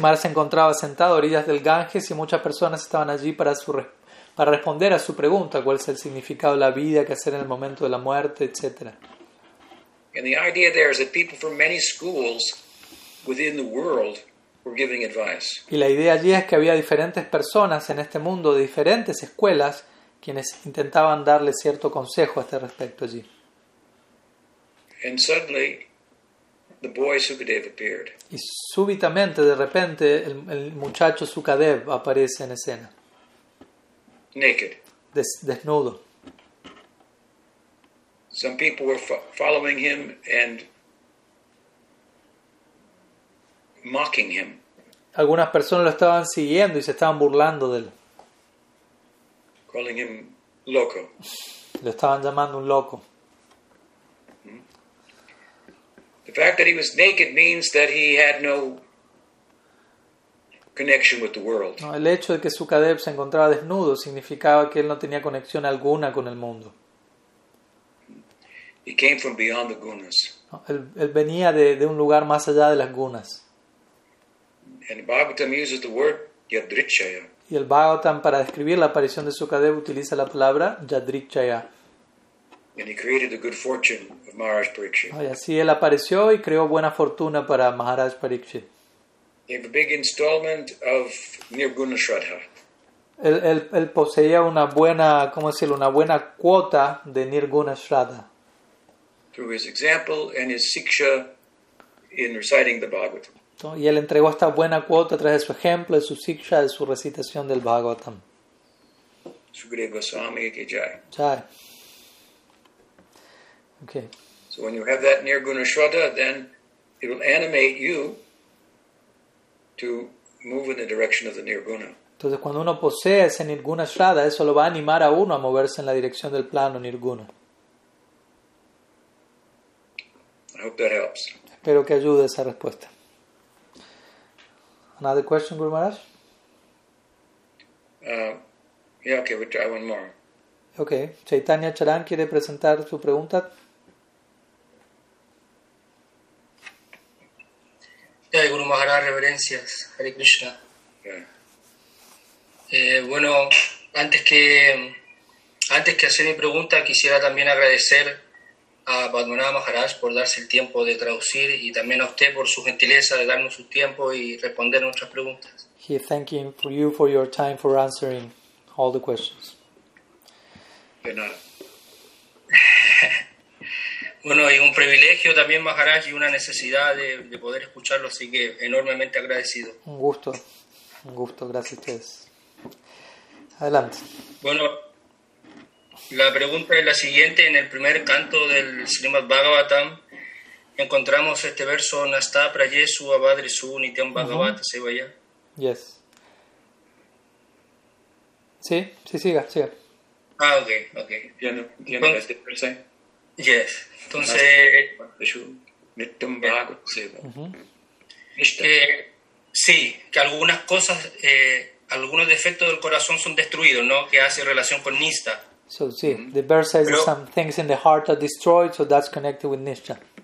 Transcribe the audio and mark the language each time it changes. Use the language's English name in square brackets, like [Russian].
[Spanish] Maharaj se encontraba sentado a orillas del Ganges y muchas personas estaban allí para responder a su pregunta, cuál es el significado de la vida, qué hacer en el momento de la muerte, etc. [English] And the idea there is that people from many schools within the world were giving advice. [Spanish] Y la idea allí es que había diferentes personas en este mundo de diferentes escuelas quienes intentaban darle cierto consejo a este respecto allí. [English] And suddenly, the boy Sukadev appeared. [Spanish] Y súbitamente, de repente, el muchacho Sukadev aparece en escena. [English] Naked. [Spanish] Desnudo. [English] Some people were following him and mocking him. [Spanish] Algunas personas lo estaban siguiendo y se estaban burlando de él. [English] Calling him loco. [Spanish] Lo estaban llamando un loco. [English] The fact that he was naked means that he had no connection with the world. [Spanish] No, el hecho de que Sukadev se encontraba desnudo significaba que él no tenía conexión alguna con el mundo. [English] He came from beyond the gunas. [Spanish] No, él venía de un lugar más allá de las gunas. [English] And Bhagavatam uses the word yadrichaya. [Spanish] Y el Bhagavatam, para describir la aparición de Sukadeva, utiliza la palabra Yadrikchaya. [English] And he created the good fortune of Maharaj Pariksit. [Spanish] Y así él apareció y creó buena fortuna para Maharaj Pariksit. [English] He had a big installment of Nirguna Shraddha. [Spanish] Él poseía una buena, ¿cómo decirlo?, una buena cuota de Nirguna Shraddha. [English] Through his example and his siksha in reciting the Bhagavatam. [Spanish] Y él entregó esta buena cuota a través de su ejemplo, de su siksha, de su recitación del Bhagavatam. [Hindi] Sukadeva Goswami ki jai. Jai. [English] Okay. So when you have that Nirguna Shraddha, then it will animate you to move in the direction of the Nirguna. [Spanish] Entonces cuando uno posee ese Nirguna Shraddha, eso lo va a animar a uno a moverse en la dirección del plano Nirguna. [English] I hope that helps. [Spanish] Espero que ayude esa respuesta. [English] Another question, Guru Maharaj? Okay, we'll try one more. [Spanish] Okay, Chaitanya Charan quiere presentar su pregunta. Hey, Guru Maharaj, reverencias. Hare Krishna. [English] Yeah. [Spanish] Bueno, antes que hacer mi pregunta, quisiera también agradecer a Padmanabha Maharaj por darse el tiempo de traducir y también a usted por su gentileza de darnos su tiempo y responder nuestras preguntas. [English] He is thanking for you for your time for answering all the questions. [Spanish] Bueno, y un privilegio también, Maharaj, y una necesidad de poder escucharlo, así que enormemente agradecido. Un gusto, gracias a ustedes. Adelante. Bueno, la pregunta es la siguiente. En el primer canto del Srimad Bhagavatam encontramos este verso: [Sanskrit] Nastha Prayesu Abhadrisu Nityam Bhagavata Sevaya. [English] Yes. [Spanish] Sí, sí, siga, siga. Ah, ok. ¿Entiendo este verso? Yes. Entonces, [Sanskrit] Nityam Bhagavata Sevaya. [Spanish] Sí, que algunas cosas, algunos defectos del corazón son destruidos, ¿no? Que hace relación con Nista. [English] So, see, the verse says that some things in the heart are destroyed, so that's connected with Nishtha.